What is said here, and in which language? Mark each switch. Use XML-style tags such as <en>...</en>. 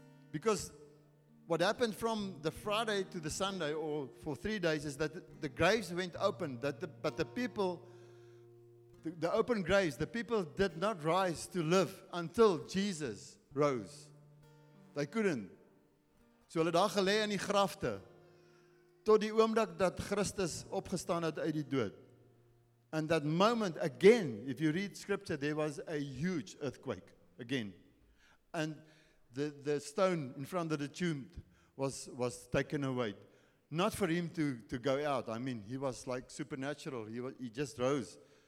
<en>Because what happened from the Friday to the Sunday, or for 3 days, is that the graves went open, but the people, the open graves, the people did not rise to live until Jesus rose. They couldn't.</en> <af>So hulle daar gelê in die grafte tot die oomblik dat Christus opgestaan het uit die dood.</af> <en>And that moment, again, if you read scripture, there was a huge earthquake, again. And the stone in front of the tomb was taken away. Not for him to go out. I mean, he was like supernatural. He just rose.</en>